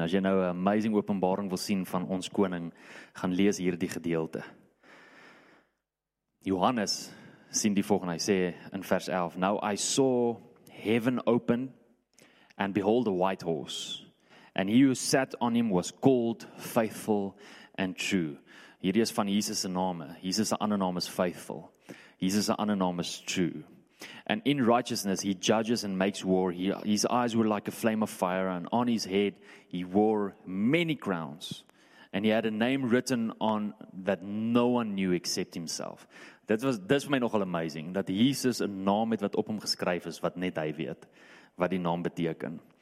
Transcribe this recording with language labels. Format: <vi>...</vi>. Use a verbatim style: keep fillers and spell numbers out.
<af>As jy nou 'n amazing openbaring wil sien van ons koning, gaan lees hierdie gedeelte. Johannes sien die volgende, hy sê in vers elf,</af> <en>Now I saw heaven open, and behold a white horse, and he who sat on him was called Faithful and True.</en> <af>Hierdie is van Jesus se name. Jesus se ander naam is Faithful. Jesus se ander naam is True.</af> <en>And in righteousness he judges and makes war. He, his eyes were like a flame of fire, and on his head he wore many crowns. And he had a name written on that no one knew except himself.</en> <af>Dit was dis vir my nogal amazing dat Jesus 'n naam het wat op hom geskryf is wat net hy weet wat die naam beteken.</af>